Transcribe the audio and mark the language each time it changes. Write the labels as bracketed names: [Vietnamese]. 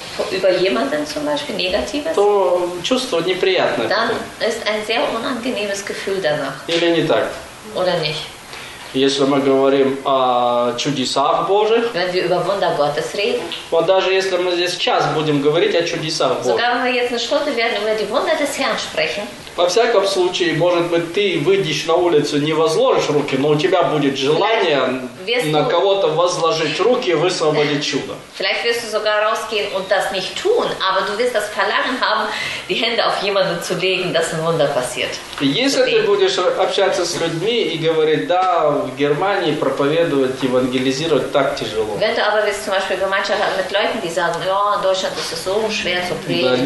[German] über jemanden zum Beispiel negatives, [Russian] то чувство неприятное. [German] Dann ist ein sehr unangenehmes Gefühl danach. [Russian] Или не так. [German] Oder nicht. [Russian] Если мы говорим о чудесах Божьих, [German] wenn wir über Wunder Gottes reden, [Russian] вот даже если мы здесь сейчас будем говорить о чудесах Божьих, [German] sogar wenn wir jetzt eine Stunde werden über die Wunder des Herrn sprechen, [Russian] во всяком случае, может быть, ты выйдешь на улицу, не возложишь руки, но у тебя будет желание на кого-то возложить руки и высвободить чудо. [German] Vielleicht wirst du sogar rausgehen und das nicht tun, aber du wirst das Verlangen haben, die Hände auf jemanden zu legen, dass ein Wunder passiert. [Russian] Если ты будешь общаться с людьми и говорить, да, в Германии проповедовать, евангелизировать так тяжело. [German] Wenn du aber willst, zum Beispiel Gemeinschaft mit Leuten, die sagen, ja, in Deutschland ist es so schwer zu predigen,